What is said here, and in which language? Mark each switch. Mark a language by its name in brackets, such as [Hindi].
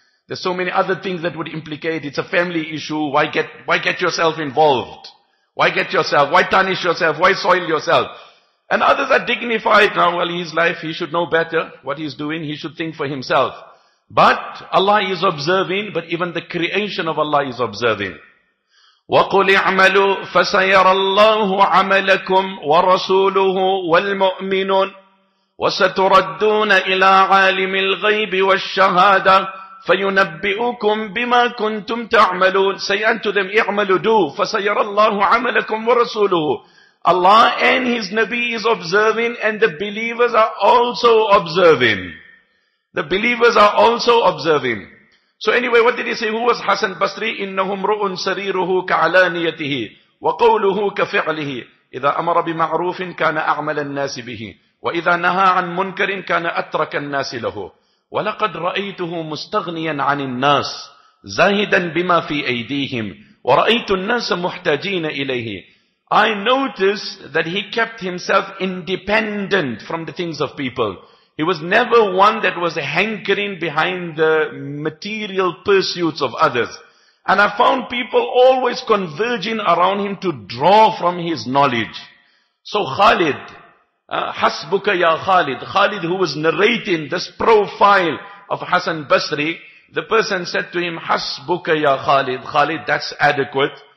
[English] There's so many other things that would implicate. It's a family issue. Why get yourself involved? Why get yourself? Why tarnish yourself? Why soil yourself? And others are dignified. Now, well, his life, he should know better what he's doing. He should think for himself. But Allah is observing, but even the creation of Allah is observing. [Arabic] وَقُلِ اعْمَلُوا فَسَيَرَ اللَّهُ عَمَلَكُمْ وَرَسُولُهُ وَالْمُؤْمِنُونَ وَسَتُرَدُّونَ إِلَىٰ عَالِمِ الْغَيْبِ وَالشَّهَادَةِ فَيُنَبِّئُكُمْ بِمَا كُنْتُمْ تَعْمَلُونَ [English] Say unto them, [Arabic] اِعْمَلُوا دُو فَسَيَرَ اللَّهُ عَمَلَكُمْ وَرَسُولُهُ [English] Allah and His Nabi is observing, and the believers are also observing. The believers are also observing. So anyway, what did he say? Who was Hassan Basri? [Arabic] إِنَّهُمْ رُؤُنْ سَرِيرُهُ كَعَلَانِيَتِهِ وَقَوْلُهُ كَفِعْلِهِ إِذَا أَمَرَ بِمَعْرُوفٍ كَانَ أَعْمَلَ النَّاسِ بِهِ وَإِذَا نَهَى عَنْ مُنْكَرٍ كَانَ أَتْرَكَ النَّاسِ لَهُ وَلَقَدْ رَأَيْتُهُ مُسْتَغْنِيًا عَنِ النَّاسِ زَاهِدًا بِمَا فِي أَيْدِيهِمْ وَرَأَيْتُ النَّاسَ مُحْتَاجِينَ إِلَيْهِ [English] I noticed that he kept himself independent from the things of people. He was never one that was hankering behind the material pursuits of others. And I found people always converging around him to draw from his knowledge. So Khalid, [Arabic] حَسْبُكَ يَا خَالِدْ [English] Khalid, who was narrating this profile of Hassan Basri, the person said to him, حَسْبُكَ يَا خَالِدْ Khalid, that's adequate.